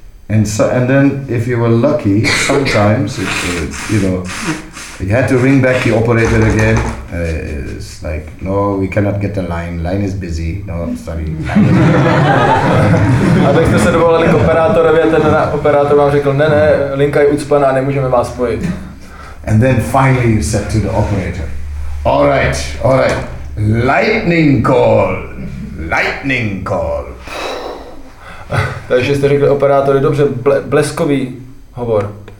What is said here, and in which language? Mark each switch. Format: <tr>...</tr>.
<en>And so, and then if you were lucky, sometimes you had to ring back the operator again. It's like, no, we cannot get the line. Line is busy. No, sorry.</en> <cs>A tak jste se dovolali k operátorovi, a ten operátor vám řekl, ne, linka je ucpaná, nemůžeme vás spojit.</cs> <en>And then finally you said to the operator, all right, lightning call, lightning call.</en> <cs>Takže jste řekl operátory, dobře, bleskový hovor.</cs>